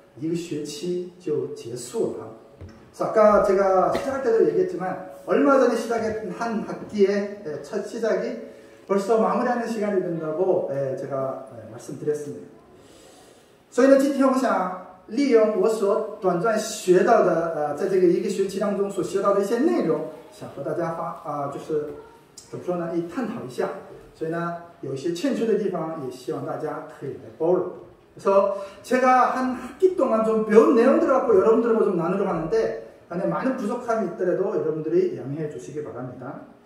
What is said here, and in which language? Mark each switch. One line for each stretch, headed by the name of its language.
Chinese: 刚才跟大家也说过，好像前不久的时间，好像刚刚开始的这个学校，一个学期就结束了，是吧？
Korean: 제가 시작할 때도 얘기했지만 얼마 전에 시작했던 한 학기의 첫 시작이 벌써 마무리하는 시간이 된다고 제가 말씀드렸습니다.
Chinese: 所以呢，今天我想利用我所短暂学到的，在这个一个学期当中所学到的一些内容，想和大家就是怎么说呢，探讨一下。所以呢，有一些欠缺的地方，也希望大家可以来包容。
Korean: 그래서 제가 한 학기 동안 좀 배운 내용들을 갖고 여러분들과 좀 나누려고 하는데 안에 많은 부족함이 있더라도 여러분들이 양해해 주시기 바랍니다.